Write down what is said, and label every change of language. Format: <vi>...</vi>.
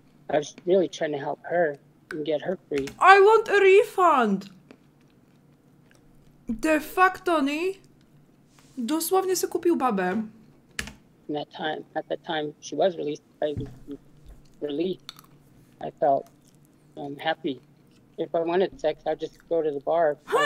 <en>I was really trying to help her and get her free. I want a refund!</en> <pl>De facto, Tony, dosłownie se kupił babę.</pl> <en>And that time, at that time she was released, I was relieved. I felt happy. If I wanted sex, I'd just go to the bar.</en>